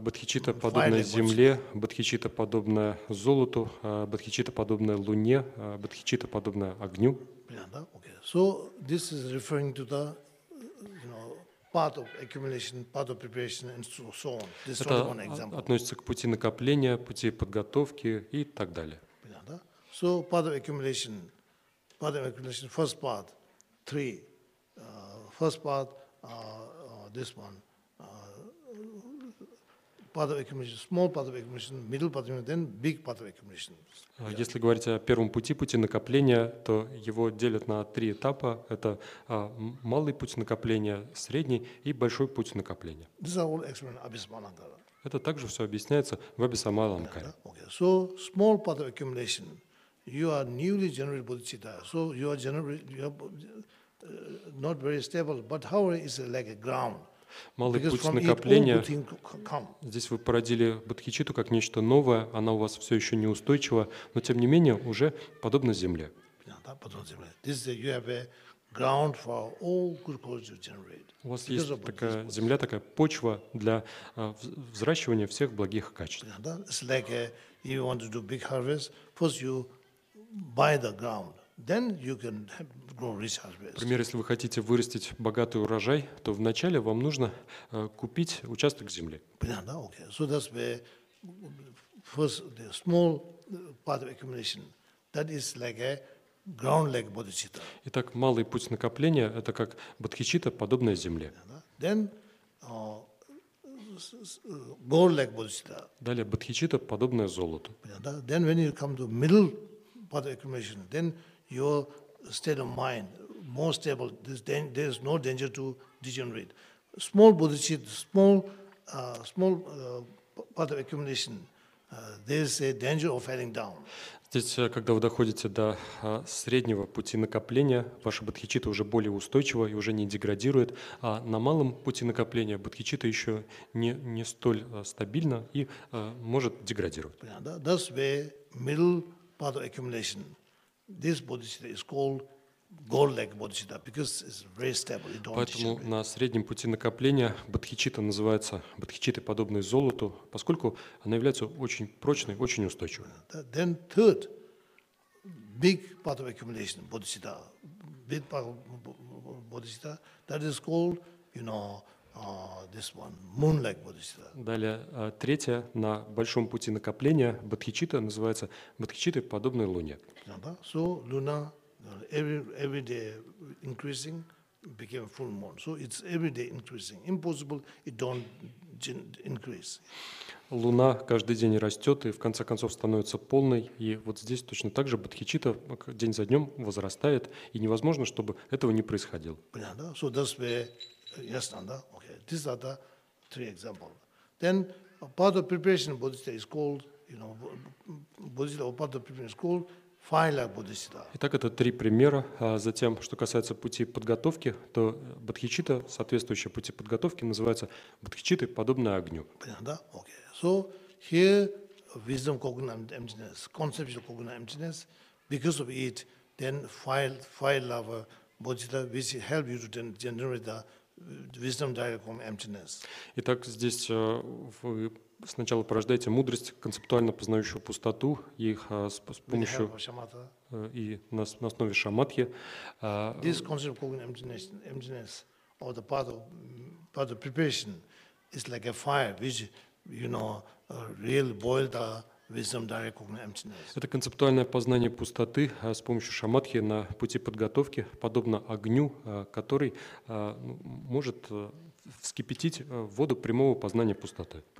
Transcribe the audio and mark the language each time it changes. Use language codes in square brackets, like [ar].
[ru] Бодхичитта подобная земле, бодхичитта подобная золоту, бодхичитта подобная луне, бодхичитта подобная огню. Да, okay. [en] So this is referring to the, you know, part of accumulation, part of preparation, and so on. This is only one example. [ru] Это относится к пути накопления, пути подготовки и так далее. [en] Да. So part of accumulation. Part of accumulation, first part, three. First part, this one. Part of accumulation, small part of accumulation, middle part of accumulation, then big part of accumulation. Yeah. [ru] Если говорить о первом пути, пути накопления, то его делят на три этапа. Это малый путь накопления, средний и большой путь накопления. [en] These are all explained in Abhisamalankara. [ru] Это также все объясняется в Абхисамалангаре. [en] Yeah, okay. So small part of accumulation. You are newly generated bodhicitta, so you are generated, you are not very stable, but how is it like a ground? [ru] Малый путь накопления. Здесь вы породили бодхичитту как нечто новое, она у вас все еще неустойчива, но тем не менее уже подобна земле. [en] This is you have a ground for all good causes you generate. [ru] У вас есть такая земля, такая почва для взращивания всех благих качеств. [en] It's like if you want to do big harvest, first you buy the ground, then you can grow rich harvest. [ru] Например, если вы хотите вырастить богатый урожай, то вначале вам нужно купить участок земли. Да, okay. [en] So that's the first, the small part of accumulation. That is like a ground like bodhicitta. [ru] Итак, малый путь накопления – это как бодхичитта, подобная земле. [en] Then gold like bodhicitta. [ru] Далее бодхичитта, подобная золоту. [en] Да, then when you come to middle part of accumulation, then your state of mind more stable. There is no danger to degenerate. Small bodhicitta, small part of accumulation. There is a danger of falling down. [ru] Здесь, когда вы доходите до среднего пути накопления, ваша бодхичитта уже более устойчива и уже не деградирует, а на малом пути накопления бодхичитта еще не столь стабильна и может деградировать. [en] Yeah, that's the middle part of accumulation. This bodhicitta is called gold-like bodhicitta because it's very stable. It don't [ru] Поэтому на среднем пути накопления бодхичитта называется бодхичитта, подобной золоту, поскольку она является очень прочной, очень устойчивой. [en] Then third, big part of accumulation, bodhicitta. Big part of bodhicitta, that is called, you know, this one, moon-like bodhicitta. [ru] Далее, третья, на большом пути накопления, бодхичитта называется бодхичитта, подобной луне. [en] So, luna, every day increasing, became full moon. So, it's every day increasing. Impossible, it don't increase. [ru] Луна каждый день растет и в конце концов становится полной. И вот здесь точно так же бодхичитта день за днем возрастает. И невозможно, чтобы этого не происходило. Понятно? [en] So, that's where, yes, Nanda, okay. These are the three examples. Then, part of preparation of bodhicitta is called, you know, bodhicitta or part of preparation is called файля Бодхисиддха. [ru] Итак, это три примера. А затем, что касается пути подготовки, то бодхичитта, соответствующие пути подготовки, называются бодхичитты, подобные огню. Понятно, да? Окей. Okay. [en] So, here, wisdom cognizant emptiness, conceptual cognizant emptiness, because of it, then file lover Bodhisattva, which help you to generate the wisdom direct from emptiness. [ru] Итак, здесь вы сначала порождаете мудрость, концептуально познающую пустоту, их с помощью и на основе шаматхи. [en] This concept of emptiness or the part of preparation is like a fire, which, you know, really boil the wisdom direct cognizant emptiness. [ru] Это концептуальное познание пустоты с помощью шаматхи на пути подготовки, подобно огню, который может вскипятить воду прямого познания пустоты.